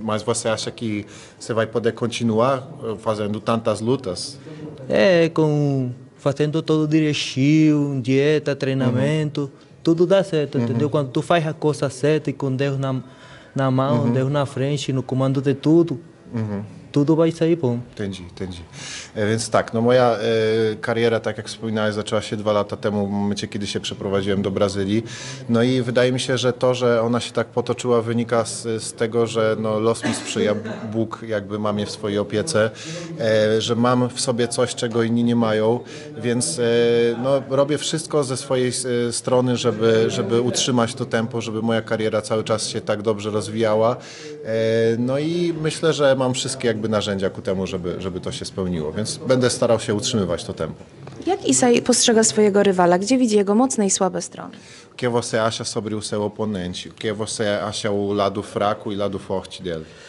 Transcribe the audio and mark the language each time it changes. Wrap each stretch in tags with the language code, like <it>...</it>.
<pt>Mas você acha que você vai poder continuar fazendo tantas lutas? É, com fazendo todo direitinho, dieta, treinamento, uhum. tudo dá certo, uhum. entendeu? Quando tu faz a coisa certa e com Deus na mão, uhum. Deus na frente, no comando de tudo, uhum. tudo vai sair bom. Entendi, entendi.</pt> <pl>Więc tak, no moja kariera, tak jak wspominałeś, zaczęła się 2 lata temu, w momencie, kiedy się przeprowadziłem do Brazylii. No i wydaje mi się, że to, że ona się tak potoczyła, wynika z tego, że no, los mi sprzyja, Bóg jakby ma mnie w swojej opiece, że mam w sobie coś, czego inni nie mają, więc no, robię wszystko ze swojej strony, żeby utrzymać to tempo, żeby moja kariera cały czas się tak dobrze rozwijała. No i myślę, że mam wszystkie jakby narzędzia ku temu, żeby to się spełniło. Więc będę starał się utrzymywać to tempo. Jak Isai postrzega swojego rywala? Gdzie widzi jego mocne i słabe strony?</pl> <pt>Que você acha sobre o seu oponente? O que você acha o lado fraco e lado forte dele?</pt>